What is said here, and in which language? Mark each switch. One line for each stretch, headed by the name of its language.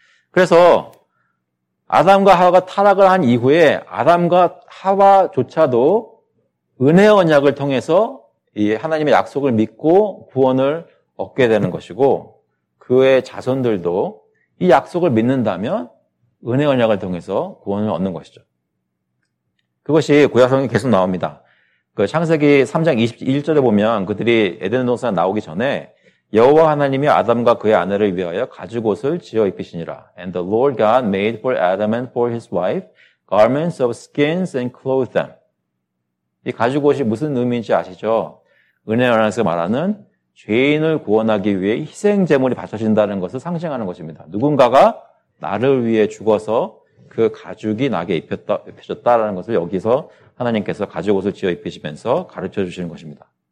Korean: 그래서 아담과 하와가 타락을 한 이후에 아담과 하와조차도 은혜 언약을 통해서 이 하나님의 약속을 믿고 구원을 얻게 되는 것이고 그의 자손들도 이 약속을 믿는다면 은혜 언약을 통해서 구원을 얻는 것이죠. 그것이 구약성경에 계속 나옵니다. 그 창세기 3장 21절에 보면 그들이 에덴 동산에 나오기 전에 여호와 하나님이 아담과 그의 아내를 위하여 가죽옷을 지어 입히시니라.
English: And the Lord God made for Adam and for his wife garments of skins and clothed them.
Korean: 이 가죽옷이 무슨 의미인지 아시죠? 은혜 언약에서 말하는 죄인을 구원하기 위해 희생 제물이 바쳐진다는 것을 상징하는 것입니다. 누군가가 나를 위해 죽어서 그 가죽이 나게 입혀졌다라는 것을 여기서 하나님께서 가죽옷을 지어 입히시면서 가르쳐 주시는 것입니다.